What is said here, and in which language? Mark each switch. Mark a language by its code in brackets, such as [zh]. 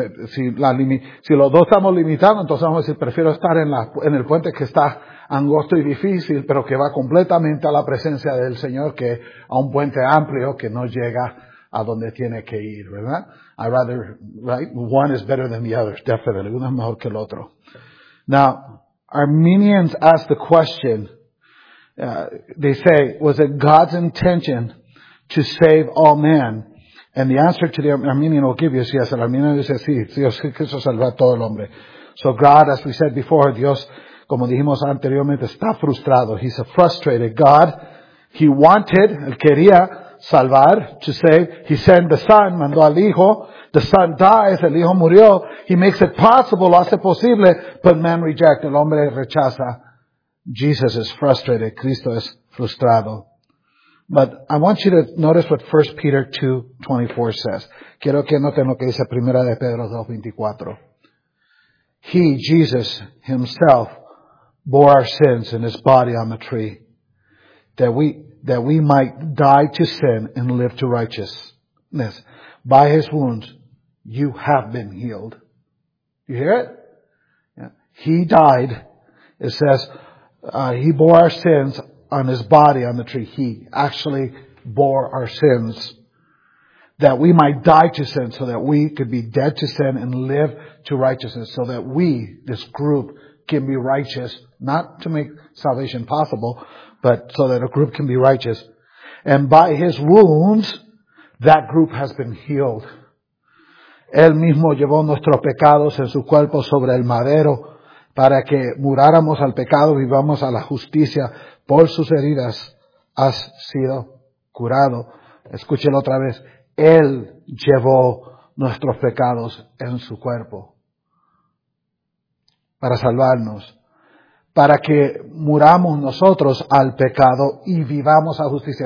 [es] Si los dos estamos limitados, entonces vamos a decir, prefiero estar en el puente que está angosto y difícil, pero que va completamente a la presencia del Señor, que a un puente amplio que no llega a donde tiene que ir, ¿verdad? [en] I'd rather, right? One is better than the other, definitely. [es] Uno es mejor que el otro. [en] Now, Arminians ask the question, they say, was it God's intention to save all men? And the answer to the Arminian will give you is yes. [es] El Arminian dice, sí, Dios quiso salvar a todo el hombre. [en] So God, as we said before, [es] Dios, como dijimos anteriormente, está frustrado. [en] He's frustrated. God, he wanted, [es] él quería salvar, [en] to save. He sent the Son, [es] mandó al Hijo. [en] The Son dies, [es] el Hijo murió. [en] He makes it possible, [es] lo hace posible, [en] but man rejects. [es] El hombre rechaza. [en] Jesus is frustrated. [es] Cristo es frustrado. [en] But I want you to notice what 1 Peter 2:24 says. [es] Quiero que noten lo que dice Primera de Pedro 2:24. [en] He, Jesus, himself, bore our sins in his body on the tree, that we might die to sin and live to righteousness. By his wounds, you have been healed. You hear it? Yeah. He died. It says, he bore our sins on his body on the tree. He actually bore our sins that we might die to sin, so that we could be dead to sin and live to righteousness, so that we, this group, can be righteous, not to make salvation possible, but so that a group can be righteous. And by his wounds, that group has been healed. [es] Él mismo llevó nuestros pecados en su cuerpo sobre el madero para que muráramos al pecado, vivamos a la justicia. Por sus heridas has sido curado. Escúchelo otra vez. Él llevó nuestros pecados en su cuerpo para salvarnos, para que muramos nosotros al pecado y vivamos a justicia.